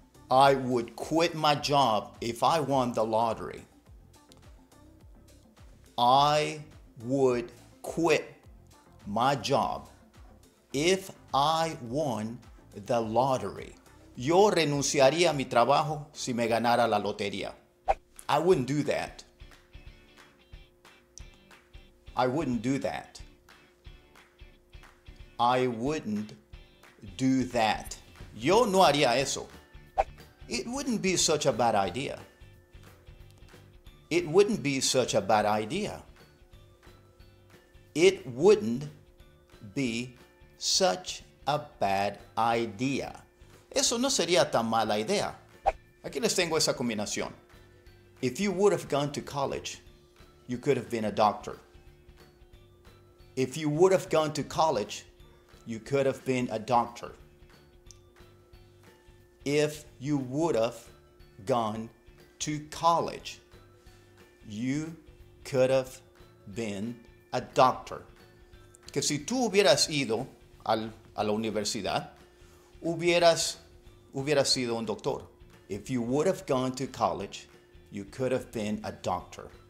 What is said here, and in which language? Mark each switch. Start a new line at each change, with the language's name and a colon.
English: I would quit my job if I won the lottery. I would quit my job if I won the lottery.
Spanish: Yo renunciaría a mi trabajo si me ganara la lotería.
English: I wouldn't do that. I wouldn't do that. I wouldn't do that.
Spanish: Yo no haría eso.
English: It wouldn't be such a bad idea. It wouldn't be such a bad idea. It wouldn't be such a bad idea.
Spanish: Eso no sería tan mala idea. Aquí les tengo esa combinación.
English: If you would have gone to college, you could have been a doctor. If you would have gone to college, you could have been a doctor. If you would have gone to college, you could have been a doctor.
Spanish: Que si tú hubieras ido a la universidad, hubieras sido un doctor.
English: If you would have gone to college, you could have been a doctor.